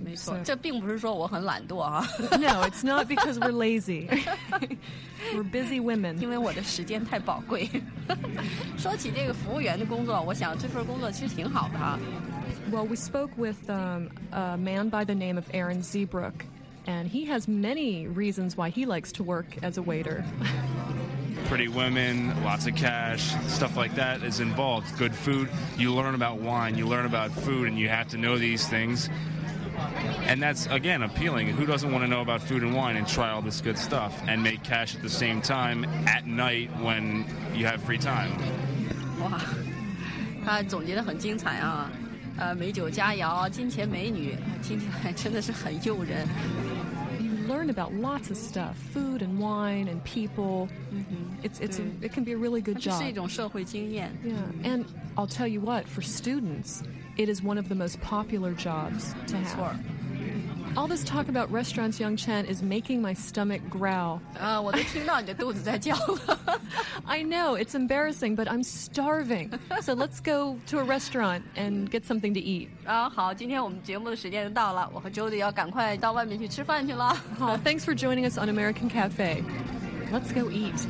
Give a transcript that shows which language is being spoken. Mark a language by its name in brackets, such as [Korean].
[Chinese] 没错，这并不是说我很懒惰啊。 [English] No, it's not because we're lazy. We're busy women. [Chinese] 因为我的时间太宝贵。说起这个服务员的工作，我想这份工作其实挺好的啊。 [English] Well, we spoke with a man by the name of Aaron Zeebrook, and he has many reasons why he likes to work as a waiter. Pretty women, lots of cash, stuff like that is involved. Good food. You learn about wine, you learn about food, and you have to know these things. And that's, again, appealing. Who doesn't want to know about food and wine and try all this good stuff and make cash at the same time at night when you have free time? [Chinese] Wow, 他总结得很精彩啊。美酒佳肴，金钱美女，听起来真的是很诱人。 [English] Learn about lots of stuff, food and wine and people. Mm-hmm. It can be a really good job. [Chinese] 是一种社会经验。 [English] Yeah. And I'll tell you what, for students, it is one of the most popular jobs to have. Sure. All this talk about restaurants, Yangchen, is making my stomach growl. [Chinese] 我都听到你的肚子在叫了。 [English] I know, it's embarrassing, but I'm starving. So let's go to a restaurant and get something to eat. [Chinese] 好，今天我们节目的时间就到了，我和 Jody 要赶快到外面去吃饭去了。 [English] 好，thanks for joining us on American Cafe. Let's go eat.